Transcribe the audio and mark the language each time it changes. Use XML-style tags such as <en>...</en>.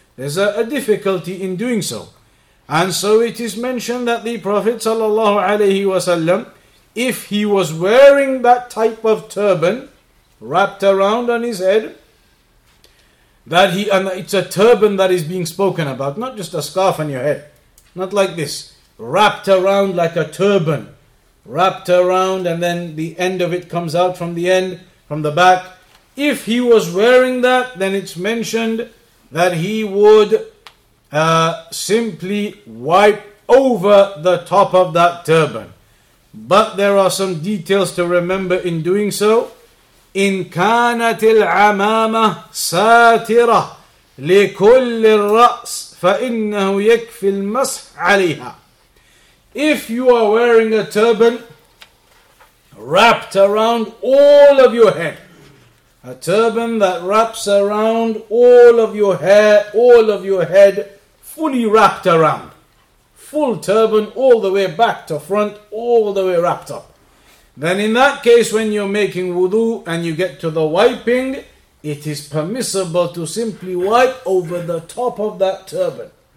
<en>There's a difficulty in doing so. And so it is mentioned that the Prophet ﷺ, if he was wearing that type of turban wrapped around on his head, that he, and it's a turban that is being spoken about, not just a scarf on your head, not like this, wrapped around like a turban, wrapped around and then the end of it comes out from the end, from the back. If he was wearing that, then it's mentioned that he would simply wipe over the top of that turban. But there are some details to remember in doing so.</en> <ar>إن كانت العمامة ساترة لكل الرأس فإنه يكفي المسح عليها.</ar> <en>If you are wearing a turban wrapped around all of your head, a turban that wraps around all of your hair, all of your head, fully wrapped around, full turban all the way back to front, all the way wrapped up, then in that case, when you're making wudu and you get to the wiping, it is permissible to simply wipe over the top of that turban.</en>